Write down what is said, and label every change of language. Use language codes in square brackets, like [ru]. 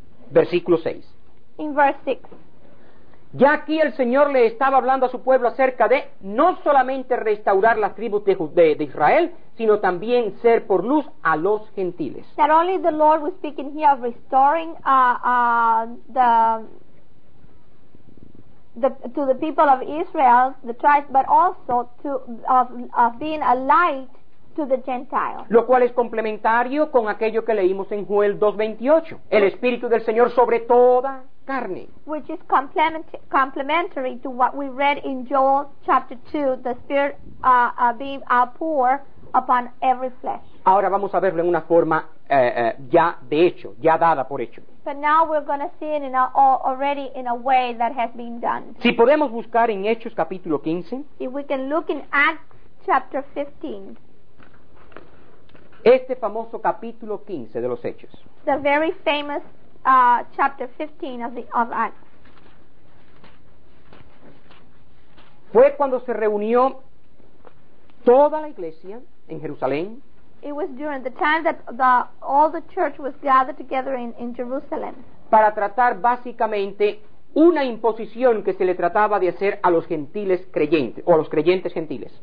[es] Versículo 6. [en] In verse 6. [es] Ya aquí el Señor le estaba hablando a su pueblo acerca de no solamente restaurar las tribus de Israel, sino también ser por luz a los gentiles. [en] Not only the Lord was speaking here of restoring to the people of Israel, the tribes, but also to of being a light to the Gentiles. [es] Lo cual es complementario con aquello que leímos en Joel 2:28. El Espíritu del Señor sobre toda carne. [en] Which is complementary to what we read in Joel chapter 2, the Spirit being poured upon every flesh. [es] Ahora vamos a verlo en una forma ya de hecho, ya dada por hecho. [en] But now we're going to see it in already in a way that has been done. [es] Si podemos buscar en Hechos capítulo 15. [en] If we can look in Acts chapter 15. [es] Este famoso capítulo 15 de los Hechos. [en] The very famous chapter 15 of Acts. [es] Fue cuando se reunió toda la iglesia en Jerusalén. [en] It was during the time that all the church was gathered together in Jerusalem. [es] Para tratar básicamente una imposición que se le trataba de hacer a los gentiles creyentes o a los creyentes gentiles.